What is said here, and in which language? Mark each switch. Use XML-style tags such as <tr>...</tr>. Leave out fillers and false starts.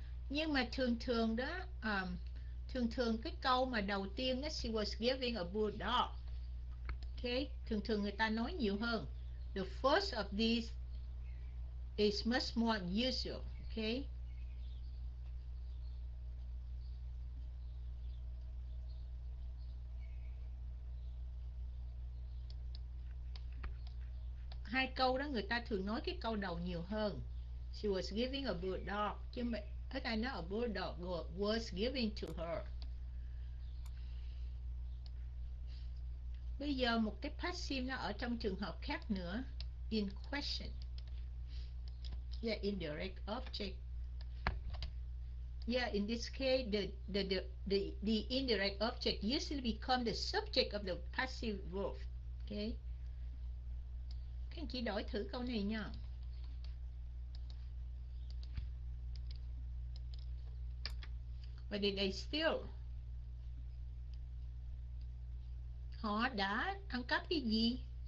<vi>Nhưng mà thường thường đó, thường thường cái câu mà đầu tiên đó,</vi> <en>she was giving a bulldog.</en> <vi>Ok, Okay, thường thường người ta nói nhiều hơn.</vi> <en>The first of these is much more unusual. Okay.</en> <vi>Hai câu đó người ta thường nói cái câu đầu nhiều hơn.</vi> <en>She was giving a bulldog.</en> <vi>Chứ mẹ, hết ai nói</vi> <en>a bulldog was giving to her.</en> <vi>Bây giờ một cái passive nó ở trong trường hợp khác nữa.</vi> <en>In question. Yeah, indirect object. Yeah, in this case, the indirect object usually become the subject of the passive verb. Okay.</en> <vi>Các anh chị đổi thử câu này nha.</vi> <en>But did they steal?</en> <vi>Họ đã ăn cắp cái gì?</vi>